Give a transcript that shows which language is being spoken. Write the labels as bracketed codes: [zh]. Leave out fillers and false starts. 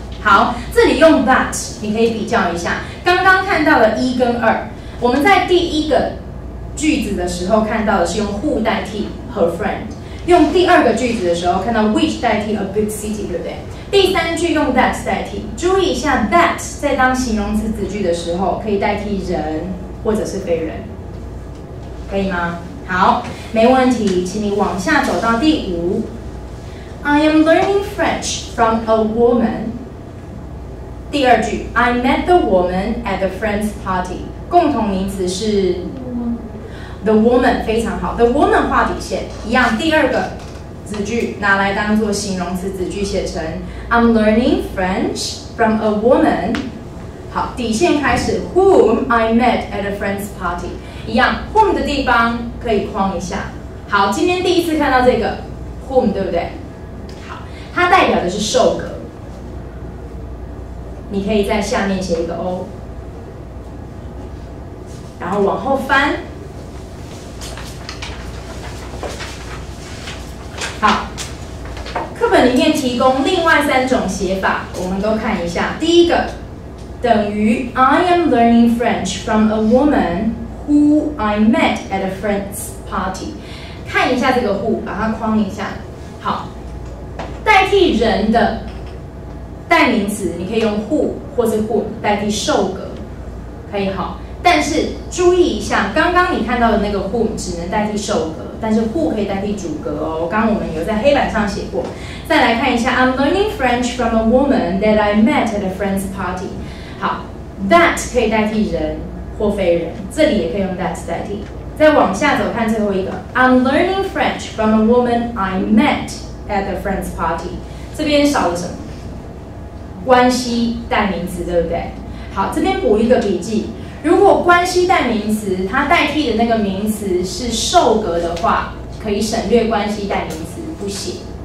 [zh] 好，这里用 that， 你可以比较一下，刚刚看到了一跟二，我们在第一个句子的时候看到的是用 who 代替 her friend， 用第二个句子的时候看到 which 代替 a big city， 对不对？第三句用 that 代替，注意一下 that 在当形容词子句的时候可以代替人或者是非人，可以吗？好，没问题，请你往下走到第五。 [en] I am learning French from a woman. [zh] 第二句 [en] I met the woman at the friend's party. [zh] 共同名词是 the woman， 非常好， the woman 画底线，一样第二个子句拿来当作形容词子句写成 [en] I'm learning French from a woman， [zh] 好，底线开始 [en] whom I met at a friend's party， [zh] 一样 whom 的地方可以框一下。好，今天第一次看到这个 whom， 对不对？好，它代表的是受格，你可以在下面写一个 O， 然后往后翻。里面提供另外三种写法，我们都看一下。第一个等于 [en] I am learning French from a woman who I met at a friend's party， [zh] 看一下这个 [en] who， [zh] 把它框一下。好，代替人的代名词你可以用 who 或是 whom 代替受格，可以。好，但是注意一下，刚刚你看到的那个 whom 只能代替受格，但是 who 可以代替主格哦，刚刚我们有在黑板上写过。再来看一下 [en] I'm learning French from a woman that I met at a friend's party， 好， that [zh] 可以代替人或非人，这里也可以用 [en] that [zh] 代替，再往下走看最后一个 [en] I'm learning French from a woman I met at the friend's party [zh] 这边少了什么关系代名词对不对好这边补一个笔记如果关系代名词它代替的那个名词是受格的话可以省略关系代名词不写